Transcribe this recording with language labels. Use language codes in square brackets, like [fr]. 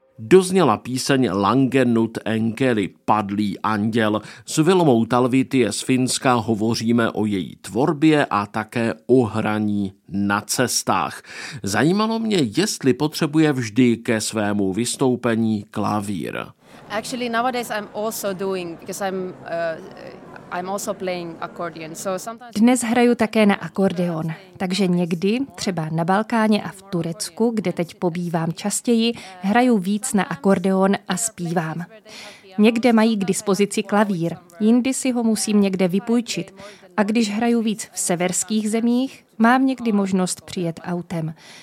[cs] Dozněla píseň Langenut enkeli, padlý anděl. S Vilmou Talvitie z Finska hovoříme o její tvorbě a také o hraní na cestách. Zajímalo mě, jestli potřebuje vždy ke svému vystoupení klavír. [en] Actually nowadays I'm also doing because I'm also playing accordion. So sometimes [cs] dnes hraju také na akordeon. Takže někdy, třeba na Balkáně a v Turecku, kde teď pobývám častěji, hraju víc na akordeon a zpívám. Někde mají k dispozici klavír, jindy si ho musím někde vypůjčit. A když hraju víc v severských zemích, mám někdy možnost přijet autem.